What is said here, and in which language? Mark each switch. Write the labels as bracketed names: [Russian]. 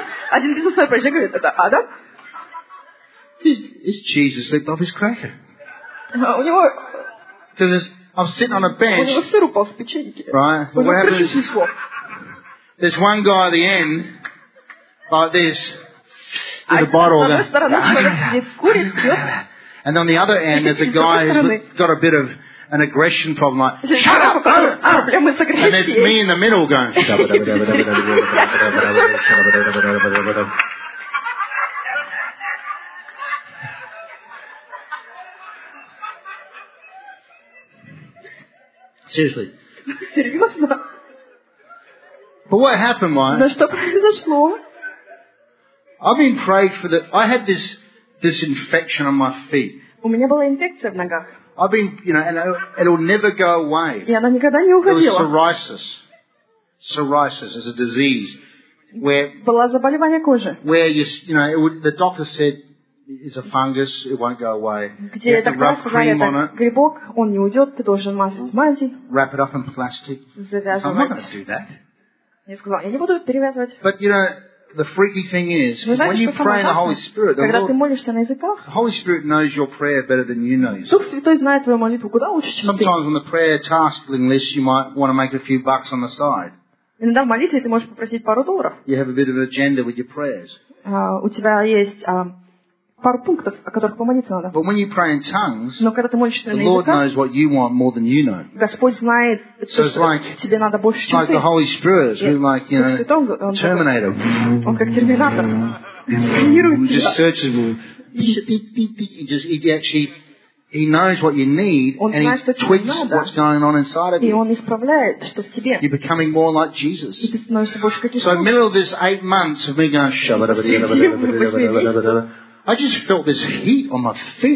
[Russian] Один бизнесмен проезжает, говорит, это Адам? [English] Is Jesus slipped off his cracker? [Russian] У него. [English] Because I'm sitting on a bench. [Russian] У него сыр упал с печеньки. [English] Right. What happened? There's one guy at the end, like this, with a bottle. [Russian] На одной стороне курит, пьет. [English] And on the other end, there's a guy who's got a bit of an aggression problem, like, shut up, bro! Problem with aggression. And there's me in the middle going, seriously. But what happened, man? [Russian] Но что произошло? [English] I've been prayed for the. I had this infection on my feet. [Russian] У меня была инфекция в ногах. [English] I've been, you know, and it'll never go away. [Russian] И она никогда не уходила. [English] It was psoriasis. Psoriasis is a disease where. [Russian] Было заболевание кожи. [English] Where you know, the doctor said is a fungus, it won't go away. [Russian] Где эта краска, это грибок, он не уйдет, ты должен мазать мази. [English] Wrap it up in plastic. [Russian] Завязывать. [English] I'm not going to do that. [Russian] Я сказал, я не буду перевязывать. [English] But you know, the freaky thing is, when you pray in the Holy Spirit, the Holy Spirit knows your prayer better than you know yourself. [Russian] Дух Святой знает твою молитву куда лучше, чем ты. [English] Sometimes on the prayer tasking list, you might want to make a few bucks on the side. [Russian] Иногда в молитве ты можешь попросить пару долларов. [English] You have a bit of an agenda with your prayers. [Russian] У тебя есть пару пунктов, о которых помолиться надо. [English] But when you pray in tongues, [Russian] но когда ты молишься на языках, [English] the Lord knows what you want more than you know. [Russian] Господь знает, что тебе надо больше, чем ты. [English] Like the Holy Spirit, like you know, Terminator. [Russian] Он как Терминатор. [English] Just searches he knows what you need, and he tweaks what's going on inside of you. [Russian] И он исправляет, что в тебе. [English] You're becoming more like Jesus. [Russian] И ты становишься больше как Иисус. [English] So in the middle of this 8 months of me going, I just felt this heat on my feet.